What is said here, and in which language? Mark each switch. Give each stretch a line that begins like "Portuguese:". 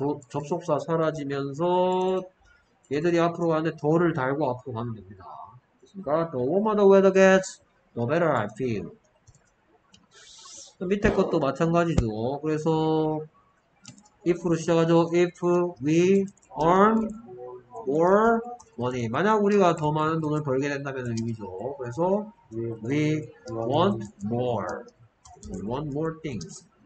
Korean: 접속사 사라지면서 얘들이 앞으로 가는데 더를 달고 앞으로 가면 됩니다. 그러니까
English: the warmer the weather gets, the better I feel.
Korean: 밑에 것도 마찬가지죠. 그래서 if로 시작하죠.
English: If we earn more money.
Korean: 만약 우리가 더 많은 돈을 벌게 된다면 의미죠. 그래서
English: we want more. We want more things.